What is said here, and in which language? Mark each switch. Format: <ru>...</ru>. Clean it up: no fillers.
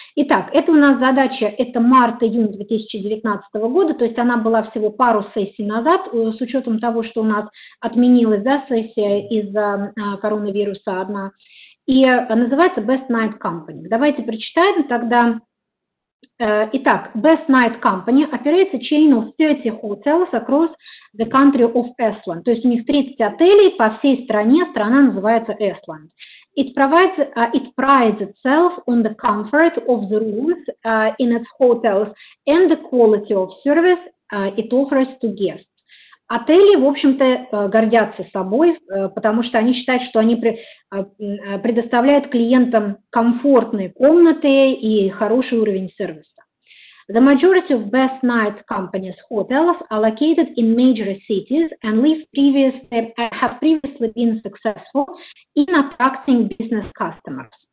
<ru>Итак, это у нас задача, это март-июнь 2019 года, то есть она была всего пару сессий назад, с учетом того, что у нас отменилась, да, сессия из-за коронавируса одна. И называется Best Night Company. Давайте прочитаем тогда.</ru> <en>Итак, Best Night Company operates a chain of 30 hotels across the country of Iceland.</en> <ru>То есть у них 30 отелей по всей стране, страна называется Iceland.</ru> <en>It prides itself on the comfort of the rooms in its hotels and the quality of service it offers to guests.</en> <ru>Отели, в общем-то, гордятся собой, потому что они считают, что они предоставляют клиентам комфортные комнаты и хороший уровень сервиса.</ru> <en>The majority of best night companies hotels are located in major cities and have previously been successful in attracting business customers.</en>